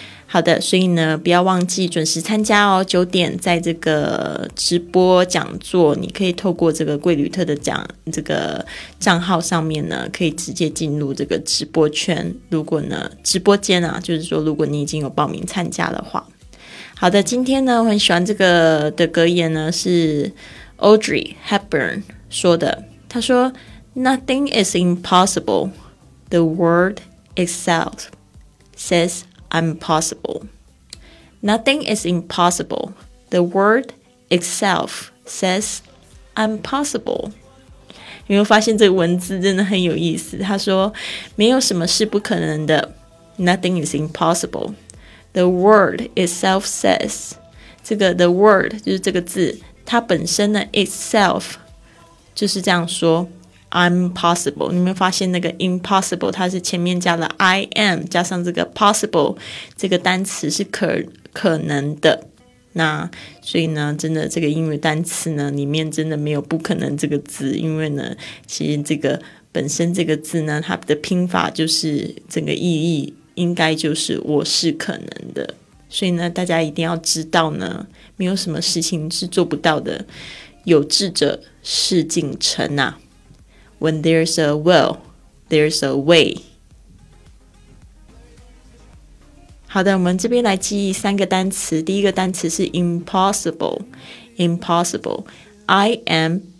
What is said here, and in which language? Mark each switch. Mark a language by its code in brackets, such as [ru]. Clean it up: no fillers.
[zh] 好的，所以呢不要忘记准时参加哦，9点在这个直播讲座，你可以透过这个贵旅特的讲这个账号上面呢可以直接进入这个直播圈，如果呢直播间啊，就是说如果你已经有报名参加的话。好的，今天呢我很喜欢这个的格言呢是 Audrey Hepburn说的，他说 [en] Nothing is impossible, the world itself says I'm possible. Nothing is impossible, the world itself says I'm possible. [zh] 有没有发现这个文字真的很有意思，他说没有什么是不可能的， [en] Nothing is impossible, the world itself says. [zh] 这个 [en] the world [zh] 就是这个字，它本身的 itself就是这样说 [en] I'm possible， [zh] 你们发现那个 impossible 它是前面加了 I am 加上这个 possible， 这个单词是 可能的，那所以呢真的这个英语单词呢里面真的没有不可能这个字，因为呢其实这个本身这个字呢它的拼法就是整个意义应该就是我是可能的，所以呢大家一定要知道呢没有什么事情是做不到的，有志者事竟成啊。 [en] When there's a will, there's a way. [zh] 好的，我们这边来记忆三个单词。第一个单词是 impossible, impossible, I-M-P-O-S-S-I-B-L-E.